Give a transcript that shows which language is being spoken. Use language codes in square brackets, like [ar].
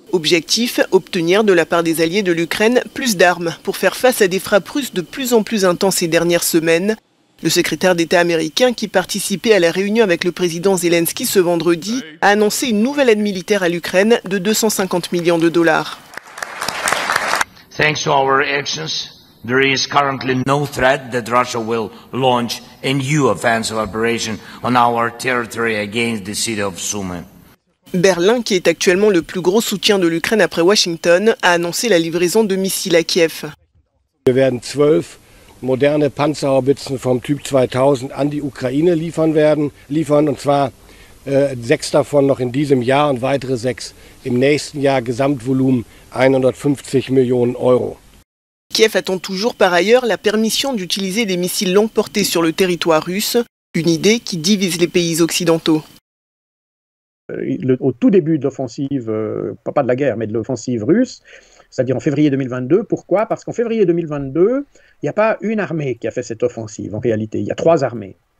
[fr] Objectif, obtenir de la part des alliés de l'Ukraine plus d'armes pour faire face à des frappes russes de plus en plus intenses ces dernières semaines. Le secrétaire d'État américain, qui participait à la réunion avec le président Zelensky ce vendredi, a annoncé une nouvelle aide militaire à l'Ukraine de 250 millions de dollars. [en] Thanks to our actions, there is currently no threat that Russia will launch a new offensive operation on our territory against the city of Sumy. [fr] Berlin, qui est actuellement le plus gros soutien de l'Ukraine après Washington, a annoncé la livraison de missiles à Kiev. [de] Wir werden 12 moderne Panzerhaubitzen vom Typ 2000 an die Ukraine liefern, und zwar 6 davon noch in diesem Jahr und weitere 6 im nächsten Jahr, Gesamtvolumen 150 Millionen Euro. [fr] Kiev attend toujours par ailleurs la permission d'utiliser des missiles longue portée sur le territoire russe, une idée qui divise les pays occidentaux. Au tout début de l'offensive, pas de la guerre, mais de l'offensive russe, c'est-à-dire en février 2022, pourquoi ? Parce qu'en février 2022, il n'y a pas une armée qui a fait cette offensive, en réalité, il y a 3 armées.